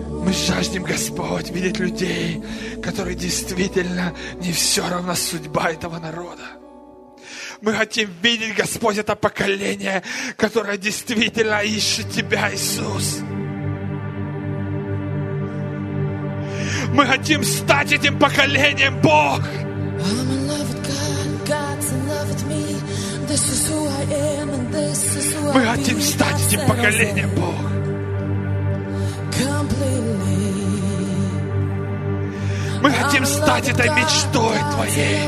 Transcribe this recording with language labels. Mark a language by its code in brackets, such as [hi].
[ru] Жаждем, Господь, видеть людей, которые действительно не все равно судьба этого народа. Мы хотим видеть, Господь, это поколение, которое действительно ищет Тебя, Иисус. Мы хотим стать этим поколением, Бог. [en] I'm in love with God, God's in love with me. This is who I am and this is who I'll be. [ru] Мы хотим стать этим поколением, Бог. Мы хотим стать этой мечтой Твоей.